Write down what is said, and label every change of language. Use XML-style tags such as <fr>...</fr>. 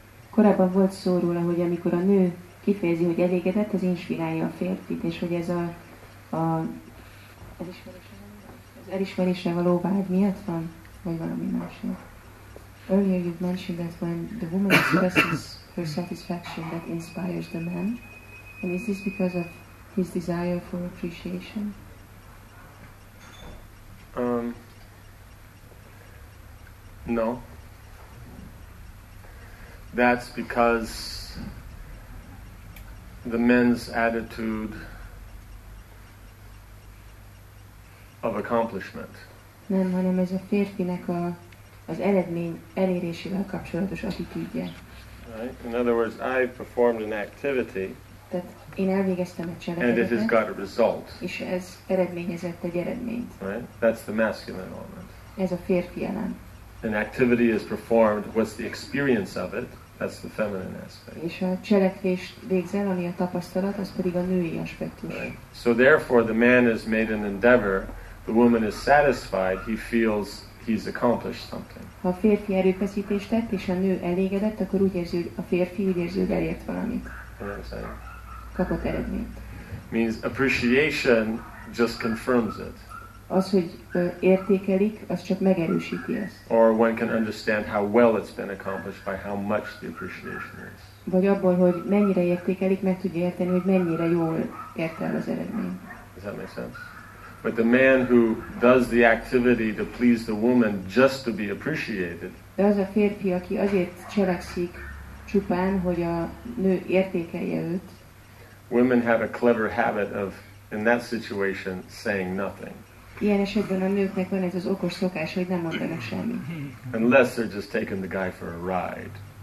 <hu>Korábban volt szó róla, hogy amikor a nő kifejezi, hogy elégedett, az inspirálja a férfit, és hogy ez az elismerése való vágy miatt van, vagy valami másik.</hu> <en>Earlier you've mentioned that when the woman expresses her satisfaction, that inspires the man. And is this because of his desire for appreciation? No. That's because the men's attitude of accomplishment.</en> <hu>Nem, hanem ez a férfinek az eredmény elérésével kapcsolatos attitűdje.</hu> <en>Right. In other words, I performed an activity.</en> <hu>Tehát én elvégeztem egy cselekedetet.</hu> <en>And it has got a result.</en> <hu>És ez eredményezett egy eredményt.</hu> <en>Right. That's the masculine element.</en> <hu>Ez a férfi elem.</hu> <en>An activity is performed, what's the experience of it? That's the feminine aspect.</en> <hu>És a cselekvés végzel, ami a tapasztalat, az pedig a női aspektus.</hu> <en>Right. So therefore, the man has made an endeavor, the woman is satisfied, he feels he's accomplished something.</en> <hu>Ha a férfi erőfeszítést tett, és a nő elégedett, akkor úgy érzi, hogy a férfi úgy érzi, hogy elért valamit. Kapott eredményt.</hu> <en>Means appreciation just confirms it.</en> <hu>Az, hogy értékelik, az csak megerősíti ezt.</hu> <en>Or one can understand how well it's been accomplished by how much the appreciation is.</en> <hu>Vagy abból, hogy mennyire értékelik, meg tudja érteni, hogy mennyire jól ért el az eredmény.</hu> <en>Does that make sense? But the man who does the activity to please the woman just to be appreciated.</en> <hu>De az a férfi, aki azért cselekszik csupán, hogy a nő értékelje őt.</hu> <en>Women have a clever habit of, in that situation, saying nothing.</en> <hu>Ilyen esetben a nőknek van ez az okos szokás, hogy nem mondanak semmit.</hu> <en>Unless they're just taking the guy for a ride.</en>